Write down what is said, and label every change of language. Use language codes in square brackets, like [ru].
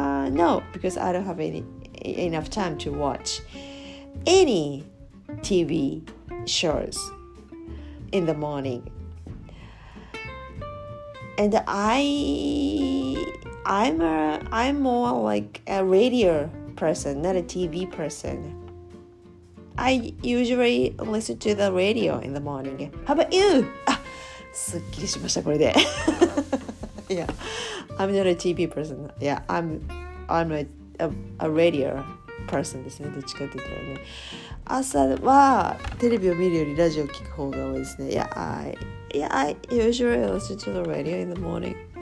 [en] No, because I don't have enough time to watch any TV shows in the morning. And I'm more like a radio person, not a TV person. I usually listen to the radio in the morning. How about you? [ja] すっきりしました、これで。 [en] Yeah, I'm not a TV person. Yeah, I'm a radio person [ja] ですね。どっちかって言ったらね。朝はテレビを見るよりラジオを聞く方が多いですね。 [en] Yeah, I usually listen to the radio in the morning.